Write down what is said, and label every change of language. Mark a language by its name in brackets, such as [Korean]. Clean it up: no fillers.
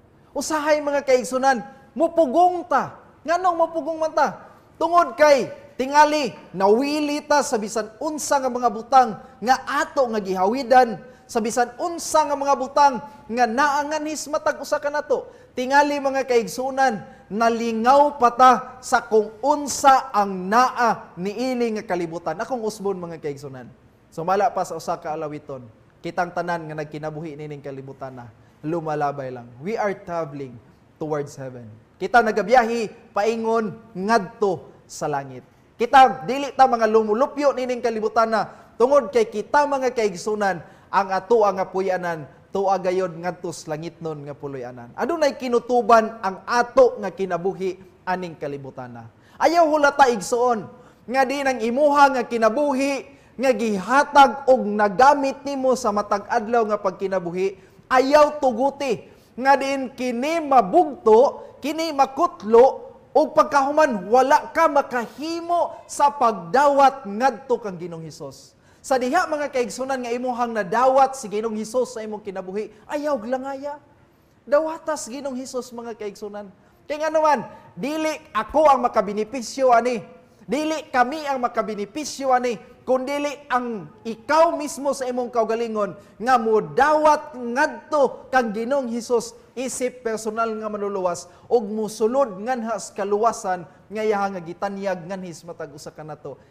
[Cebuano] Usahay mga kaigsunan, mupugong ta. Nganong mupugong man ta? Tungod kay tingali, nawili ta sa bisan unsa nga mga butang nga ato nga gihawidan sa bisan unsa nga mga butang nga naanganis matag usa ka nato. Tingali mga kaigsunan, nalingaw pata sa kung unsa ang naa niini nga kalibutan. Akong usbon mga kaigsunan. Sumala pa sa usa ka alawiton. Kitang tanan nga nagkinabuhi nining kalibutan na lumalabay lang. [English] We are traveling towards heaven. [Cebuano] Kita nagabiyahi paingon ngadto sa langit. Kita dili ta mga lumulupyo nining kalibutan na tungod kay kita mga kaigsunan ang ato ang apuyanan tuwa gayon ngadto sa langit nun nga puloyanan. Adunay kinutuban ang ato nga kinabuhi aning kalibutan na. Ayaw hulata igsoon nga din ang imuha nga kinabuhi nga gihatag og nagamit nimo sa matag adlaw nga pagkinabuhi. Ayaw tuguti nga din kini mabugto, kini makutlo og pagkahuman wala ka makahimo sa pagdawat ngadto kang Ginoong Hesus. Sa diha mga kaigsunan nga imuhang nadawat si Ginoong Hesus sa imong kinabuhi, ayaw glangaya. Dawata si Ginoong Hesus mga kaigsunan. Kaya nga naman, dili ako ang makabinipisyo ani. Dili kami ang makabinipisyo ani. Kundili ang ikaw mismo sa imong kaugalingon nga mudawat ngadto kang Ginoong Hesus isip personal nga manuluwas ug musulod nganha sa kaluwasan nga yaha nga gitanyag nganhis matag usa ka nato.